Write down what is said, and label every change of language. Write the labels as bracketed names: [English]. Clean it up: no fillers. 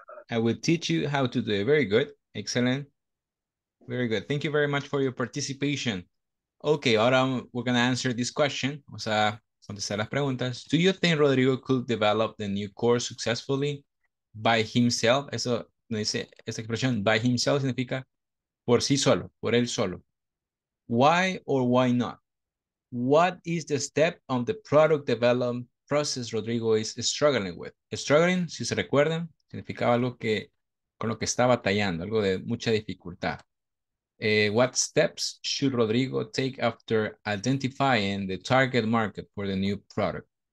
[English] I will teach you how to do it. Very good. Excellent. Very good. Thank you very much for your participation. Okay, ahora we're going to answer this question. [Spanish] O sea, contestar las preguntas. [English] Do you think Rodrigo could develop the new course successfully by himself? [Spanish] Eso dice, esta expresión, by himself, significa por sí solo, por él solo. [English] Why or why not? What is the step on the product development process Rodrigo is struggling with? [Spanish] Struggling, si se recuerdan, significaba algo que, con lo que estaba batallando, algo de mucha dificultad. [English] What steps should Rodrigo take after identifying the target market for the new product?